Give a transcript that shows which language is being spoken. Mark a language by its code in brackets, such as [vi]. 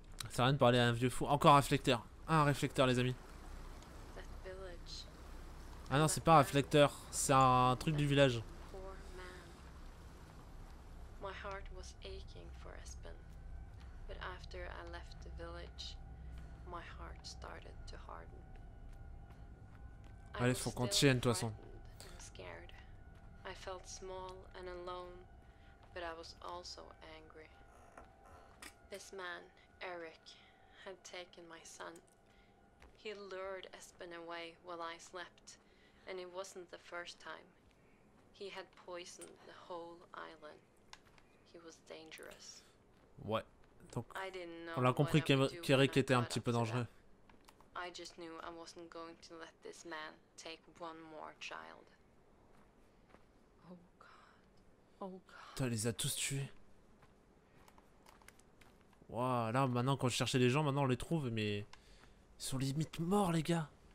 [fr] Ça a rien de parler à un vieux fou. Encore un réflecteur. Un réflecteur, les amis. [en] That village. [fr] Ah non, c'est pas un réflecteur. C'est un truc du village. [en] Poor man. My heart was aching for Espen. But after I left the village, my heart started to harden. [fr] Allez, faut qu'on tienne, de toute façon. [en] Scared. I felt small and alone, but I was also angry. This man, Eric, had taken my son. He lured Espen away while I slept, and it wasn't the first time. He had poisoned the whole island. He was dangerous. [fr] Ouais. Donc, on a compris qu'Eric était un petit peu dangereux. [en] I just knew I wasn't going to let this man take one more child. Oh god. Oh god. [fr] Putain, il les a tous tués. Wouah, là maintenant quand je cherchais les gens, maintenant on les trouve, mais ils sont limite morts, les gars.